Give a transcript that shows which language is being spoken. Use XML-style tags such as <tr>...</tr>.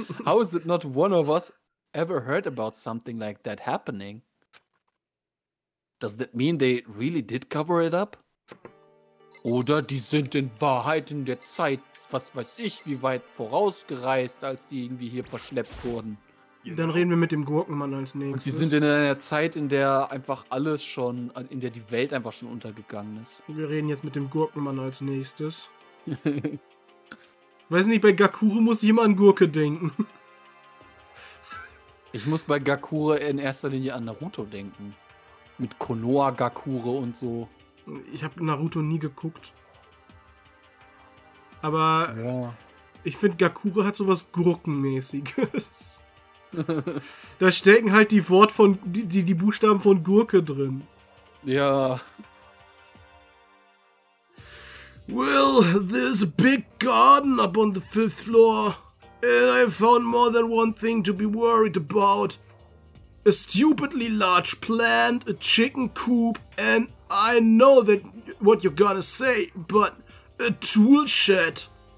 <en>How is it not one of us ever heard about something like that happening? Does that mean they really did cover it up?</en> <de>Oder die sind in Wahrheit in der Zeit, was weiß ich, wie weit vorausgereist, als sie irgendwie hier verschleppt wurden. Dann reden wir mit dem Gurkenmann als nächstes. Sie sind in einer Zeit, in der einfach alles schon, in der die Welt einfach schon untergegangen ist. Wir reden jetzt mit dem Gurkenmann als nächstes. Weiß nicht, bei Gakure muss ich immer an Gurke denken. Ich muss bei Gakure in erster Linie an Naruto denken. Mit Konoha Gakure und so. Ich habe Naruto nie geguckt. Aber ja. Ich finde, Gakure hat sowas Gurkenmäßiges. Da stecken halt die Wort von die Buchstaben von Gurke drin. Ja.</de> <en>Well, there's a big garden up on the fifth floor. And I found more than one thing to be worried about. A stupidly large plant, a chicken coop, and I know that what you're gonna say, but a tool shed.</en>